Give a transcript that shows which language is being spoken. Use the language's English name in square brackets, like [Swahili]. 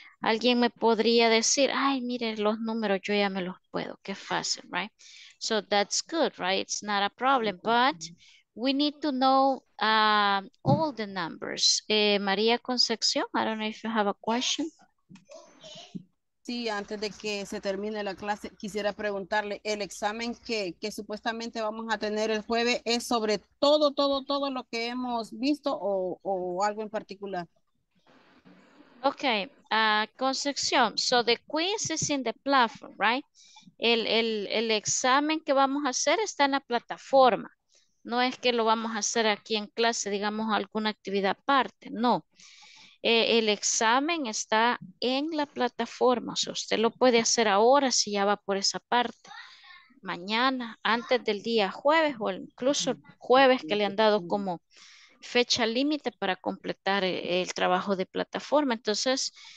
[Spanish] Alguien me podría decir, ay, miren los números, yo ya me los puedo, qué fácil, [English] right? So that's good, right? It's not a problem, but we need to know all the numbers. María Concepción, I don't know if you have a question. [Spanish] Sí, antes de que se termine la clase, quisiera preguntarle, el examen que supuestamente vamos a tener el jueves, ¿es sobre todo lo que hemos visto o algo en particular? [English] Ok, Concepción, so the quiz is in the platform, right? [Spanish] El examen que vamos a hacer está en la plataforma, no es que lo vamos a hacer aquí en clase, digamos alguna actividad aparte, no. El examen está en la plataforma, o sea, usted lo puede hacer ahora si ya va por esa parte, mañana, antes del día jueves o incluso jueves que le han dado como fecha límite para completar el trabajo de plataforma. Entonces,